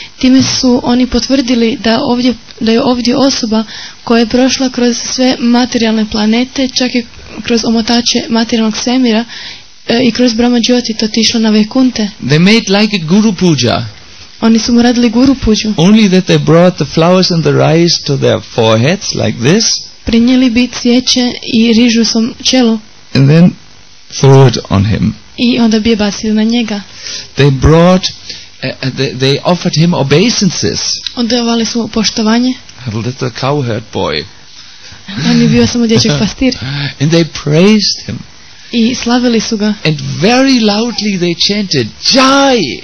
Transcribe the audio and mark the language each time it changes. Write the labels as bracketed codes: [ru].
[hr] Time su oni potvrdili da je ovdje osoba koja je prošla kroz sve materijalne planete, čak i kroz omotače materijalnog svemira, i kroz Brahma Jyoti to tišlo na Vaikunte. [en] They made like a guru puja. [hr] Oni su mu radili guru puju. [en] Only that they brought the flowers and the rice to their foreheads like this. [hr] Prinijeli bi cvijeće i rižu svom čelu. [en] And then threw it on him. [hr] I onda bi je bacili na njega. [en] They brought they offered him obeisances. [hr] Odavali su mu poštovanje. [en] A little cowherd boy. [hr] On je bio samo dječak pastir. [en] And they praised him. [hr] I slavili su ga. [en] And very loudly they chanted, "Jai!